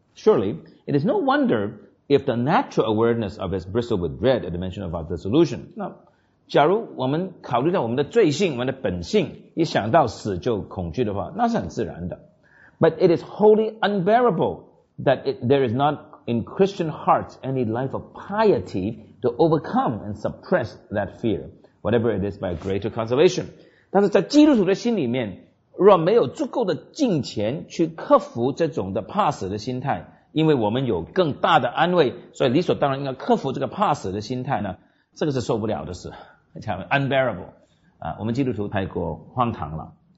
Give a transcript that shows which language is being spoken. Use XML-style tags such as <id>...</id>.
<en>surely it is no wonder if the natural awareness of it bristled with dread at the mention of our dissolution。</en> <zh>那假如我们考虑到我们的罪性，我们的本性一想到死就恐惧的话，那是很自然的。</zh> <en>But it is wholly unbearable that there is not in Christian hearts any life of piety to overcome and suppress that fear, whatever it is by greater consolation.</en> <zh>但是在基督徒的心里面，若没有足够的敬虔去克服这种的怕死的心态，因为我们有更大的安慰，所以理所当然应该克服这个怕死的心态呢，这个是受不了的事。 Unbearable， 我们基督徒太过荒唐了。</zh>